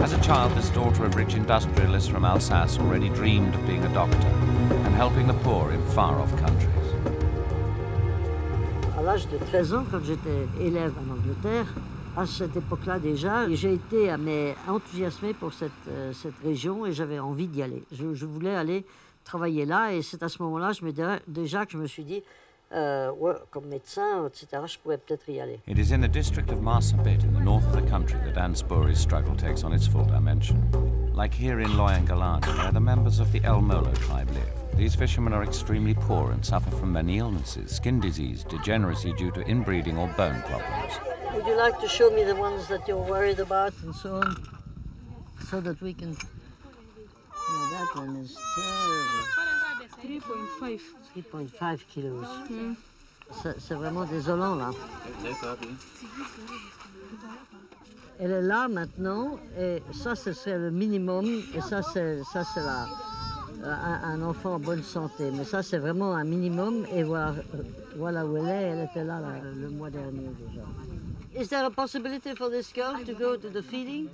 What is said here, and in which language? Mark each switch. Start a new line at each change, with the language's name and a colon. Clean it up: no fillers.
English: As a child, this daughter of rich industrialists from Alsace already dreamed of being a doctor and helping the poor in far-off countries.
French: À l'âge de 13 ans, quand j'étais élève en Angleterre, à cette époque-là déjà, j'ai été enthousiasmée pour cette région et j'avais envie d'y aller. Je voulais aller travailler là et c'est à ce moment-là que je me suis dit, comme médecin, etc., je pourrais peut-être y aller.
English: It is in the district of Masai, in the north of the country, that Anne Spoerry's struggle takes on its full dimension. Like here in Loyangalani, where the members of the El Molo tribe live. These fishermen are extremely poor and suffer from many illnesses, skin disease, degeneracy due to inbreeding or bone problems. Would you like to show me the ones that you're worried about and so on? So that we can... Now that one is terrible. 3.5
French: kilos. C'est vraiment désolant, là. Elle est là maintenant, et ça, ce serait le minimum, et ça, c'est là. Un enfant en bonne santé, mais ça c'est vraiment un minimum. Et voilà où elle est. Elle était là le mois dernier déjà.
English: Is there a possibility for this girl to go to the feeding?